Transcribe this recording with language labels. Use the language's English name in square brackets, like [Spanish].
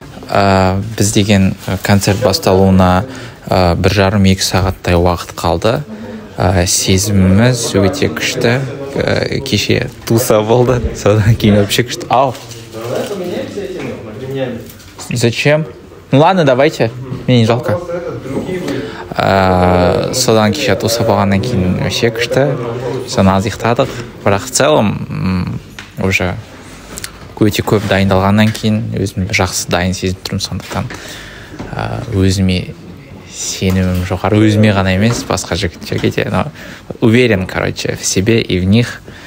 [Kazakh] Біз деген концерт басталуына бір жарым екі сағаттай уақыт қалды. Сезіміміз өте күшті. Кеше туса болды, содан кейін вообще күшті. Ау! [Russian] Зачем? Ну ладно, давайте, мне не жалко. [Kazakh] Содан кеше туса болғаннан кейін вообще күшті. Соны аз ұйықтадық, бірақ в целом уже өте көп дайындалғаннан кейін өзім жақсы дайын сезініп тұрмын, сондықтан өзіме сенімім жоғары, өзіме ғана емес, басқа жігіттерге де, [Russian] но уверен, короче, в себе и в них.